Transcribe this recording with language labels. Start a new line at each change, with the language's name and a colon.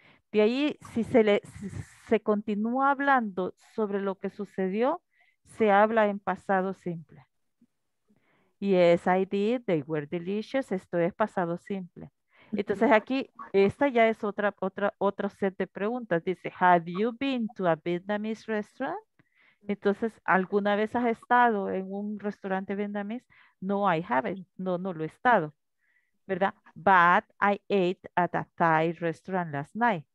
Spanish: De ahí, si se, se continúa hablando sobre lo que sucedió, se habla en pasado simple.
English: Yes, I did. They were delicious.
Spanish: Esto es pasado simple. Entonces aquí, esta ya es otro set de preguntas. Dice,
English: have you been to a Vietnamese restaurant?
Spanish: Entonces, ¿alguna vez has estado en un restaurante vietnamés?
English: No, I haven't.
Spanish: No, no lo he estado. ¿Verdad?
English: But I ate at a Thai restaurant last night.